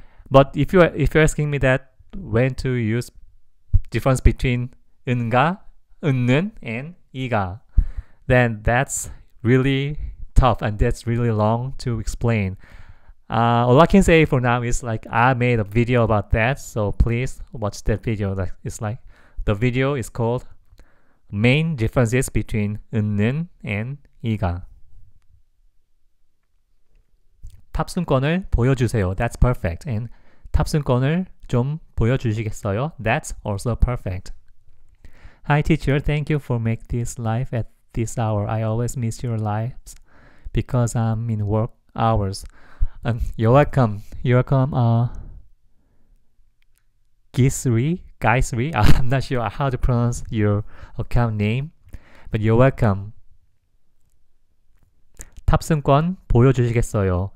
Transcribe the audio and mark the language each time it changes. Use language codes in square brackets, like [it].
[en] But if you're asking me that when to use difference between 은가, 은는 and 이가, then that's really tough and that's really long to explain. All I can say for now is like I made a video about that, so please watch that video. It's like the video is called Main Differences Between 은는 and 이가. [ko] 탑승권을 보여주세요. [en] That's perfect. [ko] And 탑승권을 좀 보여주시겠어요? [en] That's also perfect. Hi teacher, thank you for make this live at this hour. I always miss your lives because I'm in work hours. You're welcome. You're welcome. Gisri? I'm not sure how to pronounce your account name, but you're welcome. [ko] 탑승권 보여주시겠어요?